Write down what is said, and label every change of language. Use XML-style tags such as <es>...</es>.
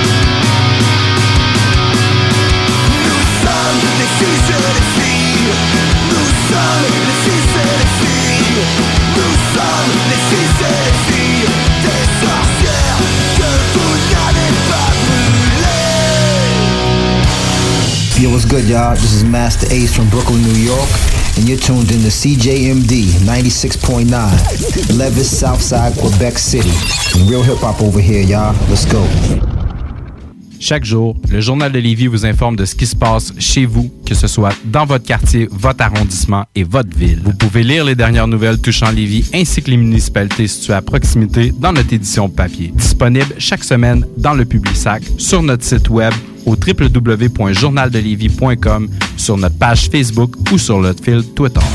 <fr>Nous sommes les fils et les filles. Nous sommes les fils et les filles. Nous sommes les fils et les filles des sorcières que vous n'avez pas brûlées.</fr> <en>Yo, what's good, y'all? This is Master Ace from Brooklyn, New York, and you're tuned in to CJMD 96.9, Levis, Southside, Quebec City. Real hip-hop over here, y'all. Let's go.</en> <fr>Chaque jour, le Journal de Lévis vous informe de ce qui se passe chez vous, que ce soit dans votre quartier, votre arrondissement et votre ville. Vous pouvez lire les dernières nouvelles touchant Lévis ainsi que les municipalités situées à proximité dans notre édition papier. Disponible chaque semaine dans le Publisac, sur notre site web au www.journaldelévis.com, sur notre page Facebook ou sur notre fil Twitter.</fr>